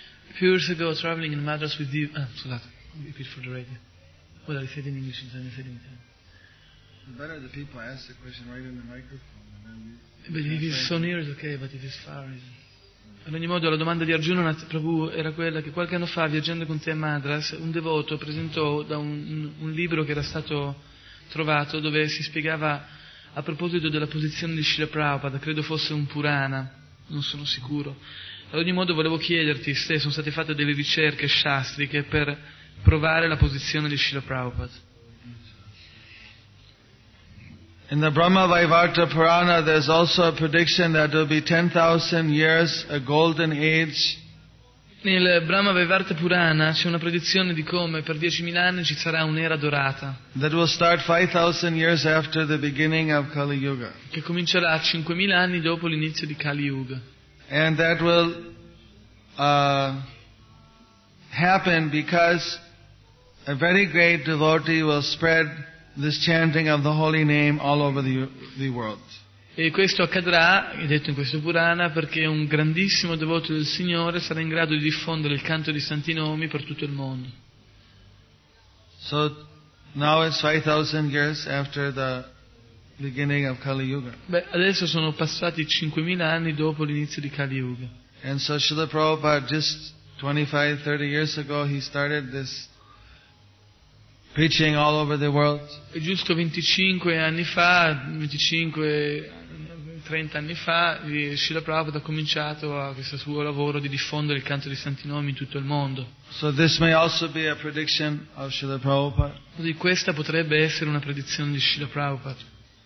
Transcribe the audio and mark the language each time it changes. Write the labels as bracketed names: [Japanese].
[English] A few years ago, traveling in Madras with you. Repeat for the radio. Well, I said in English, and then I said in Italian. The better the people ask the question right in the microphone. But if it's so near, it's okay, but if it's far, it's. [Italian] Ad ogni modo, la domanda di Arjuna Prabhu era quella che qualche anno fa, viaggiando con te a Madras, un devoto presentò da un libro che era stato trovato, dove si spiegava a proposito della posizione di Srila Prabhupada, credo fosse un Purana, non sono sicuro. Ad ogni modo volevo chiederti se sono state fatte delle ricerche shastriche per provare la posizione di Srila Prabhupada. [English] In the Brahma Vaivarta Purana there's also a prediction that there'll be 10,000 years a golden age. [Italian] Nel Brahma Vaivarta Purana c'è una predizione di come per 10.000 anni ci sarà un'era dorata. [English] That will start 5,000 years after the beginning of Kali Yuga. [Italian] Che comincerà 5.000 anni dopo l'inizio di Kali Yuga. [English] And that will happen because a very great devotee will spread this chanting of the holy name all over the world. [Italian] E questo accadrà, è detto in questo Purana, perché un grandissimo devoto del Signore sarà in grado di diffondere il canto di santi nomi per tutto il mondo. [English] So now it's 5,000 years after the beginning of Kali Yuga. [Italian] Beh, adesso sono passati 5.000 anni dopo l'inizio di Kali Yuga. [English] And so Srila Prabhupada just 25-30 years ago he started this preaching all over the world. [Italian] E giusto 25-30 anni fa Srila Prabhupada ha cominciato questo suo lavoro di diffondere il canto dei santi nomi in tutto il mondo. [English] So this may also be a prediction of Srila Prabhupada. [Italian] Quindi questa potrebbe essere una predizione di Srila Prabhupada.